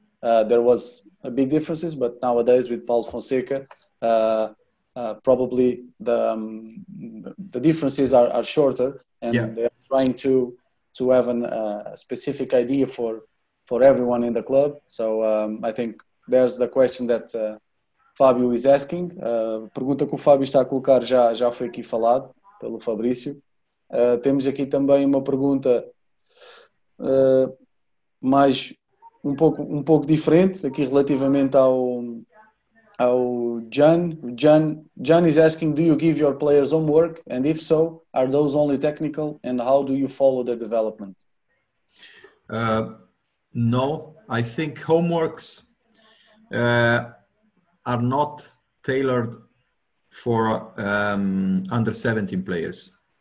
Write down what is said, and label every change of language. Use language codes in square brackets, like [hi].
[en] There was a big differences, but nowadays with Paulo Fonseca, probably the differences are shorter, and they are trying to have a specific idea for everyone in the club. So I think there's the question that Fábio is asking. [pt] A pergunta que o Fábio está a colocar já foi aqui falado pelo Fabrício. Temos aqui também uma pergunta mais um pouco diferente, aqui relativamente ao John. [en] John is asking, do you give your players homework? And if so, are those only technical? And how do you follow their development? No, I think homeworks are not tailored for under 17 players.